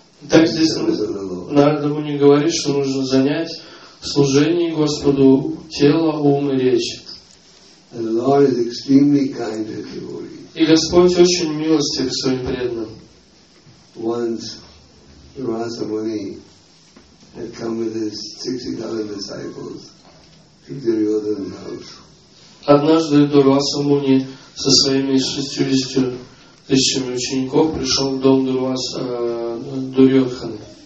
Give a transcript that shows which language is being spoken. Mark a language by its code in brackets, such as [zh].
[ru] Так здесь Нарада Муни говорит, что нужно занять в служении Господу тело, ум и речь. [en] And the Lord is extremely kind to devotees. [ru] И Господь очень милостив к своим преданным. [en] Once, Rasa Muni had come with his 60,000 disciples to Duryodhana's house. [ru] Однажды Дурваса Муни со своими 60,000 учеников пришел в дом Дурьодханы.